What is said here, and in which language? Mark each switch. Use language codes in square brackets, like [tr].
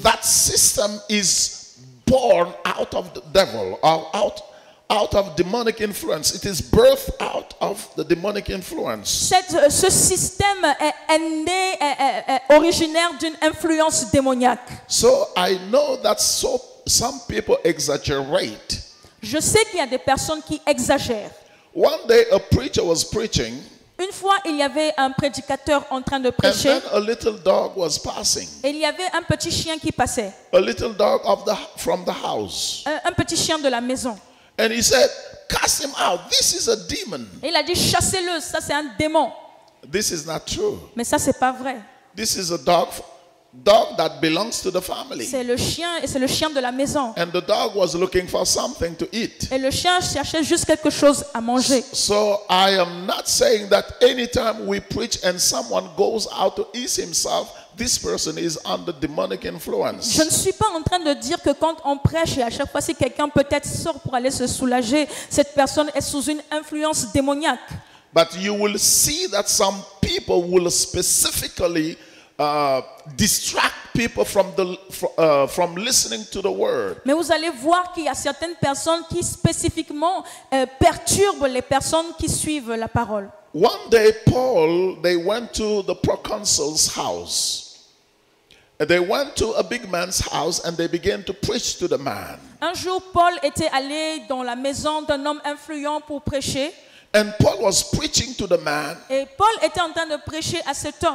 [en] that system is born out of the devil or out of demonic influence. It is birthed out of the demonic influence. [fr] Ce système est né, est originaire d'une influence démoniaque. [en] So I know that some people exaggerate. [fr] Je sais qu'il y a des personnes qui exagèrent. [en] One day a preacher was preaching. [fr] Une fois, il y avait un prédicateur en train de prêcher. [en] And then a little dog was passing. [fr] Et il y avait un petit chien qui passait. [en] A little dog from the house. [fr] Un petit chien de la maison. [en] And he said, "Cast him out. This is a demon." [fr] Il a dit, chassez-le. Ça c'est un démon. [en] This is not true. [fr] Mais ça c'est pas vrai. [en] This is a dog that belongs to the family. [fr] C'est le chien et c'est le chien de la maison. [en] And the dog was looking for something to eat. [fr] Et le chien cherchait juste quelque chose à manger. [en] So I am not saying that anytime we preach and someone goes out to ease himself, this person is under demonic influence. [fr] Je ne suis pas en train de dire que quand on prêche et à chaque fois si quelqu'un peut-être sort pour aller se soulager, cette personne est sous une influence démoniaque. [en] But you will see that some people will specifically distract people from listening to the word. [fr] Mais vous allez voir qu'il y a certaines personnes qui spécifiquement perturbent les personnes qui suivent la parole. [en] One day Paul, they went to the proconsul's house. They went to a big man's house and they began to preach to the man. [fr] Un jour Paul était allé dans la maison d'un homme influent pour prêcher. [en] And Paul was preaching to the man. [fr] Et Paul était en train de prêcher à cet homme.